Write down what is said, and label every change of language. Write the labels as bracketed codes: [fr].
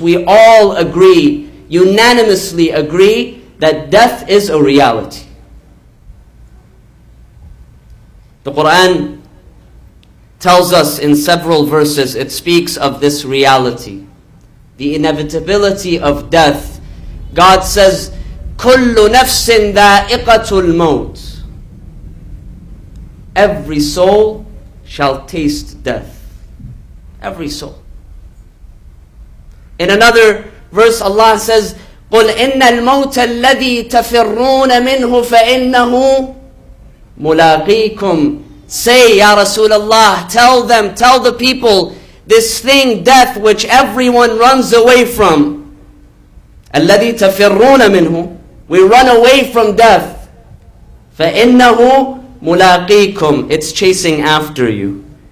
[en] We all agree, unanimously agree, that death is a reality. The Quran tells us in several verses, it speaks of this reality, the inevitability of death. God says, [ar] كُلُّ نَفْسٍ ذَائِقَةُ الْمَوْتِ. [en] Every soul shall taste death. Every soul. In another verse, Allah says, [ar] قُلْ إِنَّ الْمَوْتَ الَّذِي تَفِرُّونَ مِنْهُ فَإِنَّهُ مُلَاقِيكُمْ. [en] Say, Ya Rasulullah, tell them, tell the people, this thing, death, which everyone runs away from. [ar] الَّذِي تَفِرُّونَ مِنْهُ. [en] We run away from death. [ar] فَإِنَّهُ مُلَاقِيكُمْ. [en] It's chasing after you.